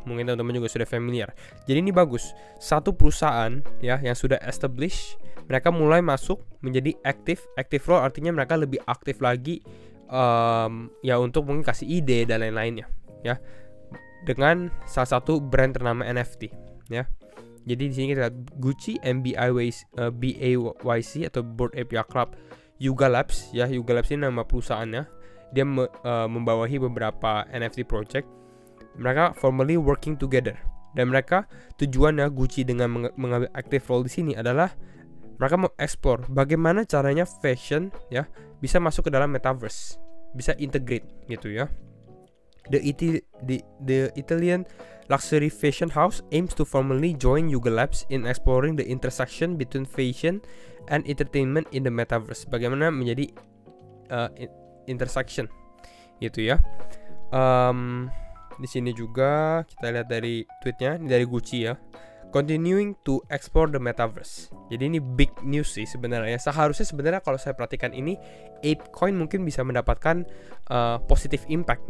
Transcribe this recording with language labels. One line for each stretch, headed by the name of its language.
Indonesian: Mungkin teman-teman juga sudah familiar. Jadi ini bagus. Satu perusahaan ya yang sudah established, mereka mulai masuk menjadi active role, artinya mereka lebih aktif lagi ya untuk mungkin kasih ide dan lain-lainnya ya, dengan salah satu brand ternama NFT ya. Jadi di sini kita lihat Gucci, BAYC atau Bored Ape Yacht Club, Yuga Labs ya. Yuga Labs ini nama perusahaannya. Dia membawahi beberapa NFT project.
English: Mereka formally working together.
Indonesian: Dan mereka tujuannya Gucci dengan mengambil active role di sini adalah mereka mau explore bagaimana caranya fashion ya bisa masuk ke dalam metaverse, bisa integrate gitu ya.
English: The Italian luxury fashion house aims to formally join Yuga Labs in exploring the intersection between fashion and entertainment in the metaverse.
Indonesian: Bagaimana menjadi intersection gitu ya. Di sini juga kita lihat dari tweetnya, ini dari Gucci ya.
English: continuing to explore the metaverse. Jadi ini big news sih sebenarnya.
Indonesian: Seharusnya sebenarnya kalau saya perhatikan ini, ApeCoin mungkin bisa mendapatkan positive impact.